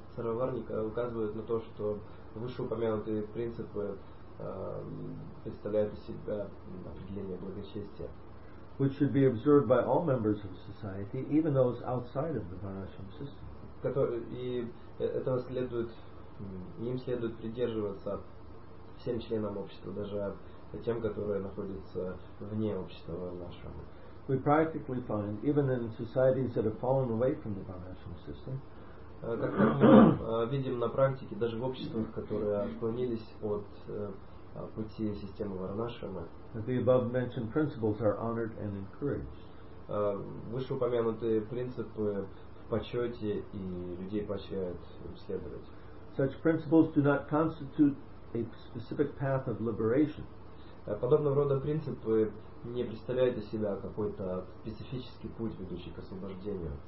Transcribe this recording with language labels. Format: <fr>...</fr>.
<ru>Сарвабарника указывает на то, что вышеупомянутые принципы представляют из себя определение благочестия.</ru> <en>Which should be observed by all members of society, even those outside of the Varnashram system.</en> <ru>И этого следует, им следует придерживаться всем членам общества, даже тем, которые находятся вне общества Варнашрама.</ru> <en>We practically find, even in societies that have fallen away from the Varnashram system,</en> <ru>как мы видим на практике, даже в обществах, которые отклонились от пути системы Варнашрама,</ru> <en>the above mentioned principles are honored and encouraged.</en> <ru>Вышеупомянутые принципы в почете и людей поощряют следовать.</ru> <en>Such principles do not constitute a specific path of liberation.</en> <ru>Подобного рода принципы не представляют из себя какой-то специфический путь, ведущий к освобождению.</ru>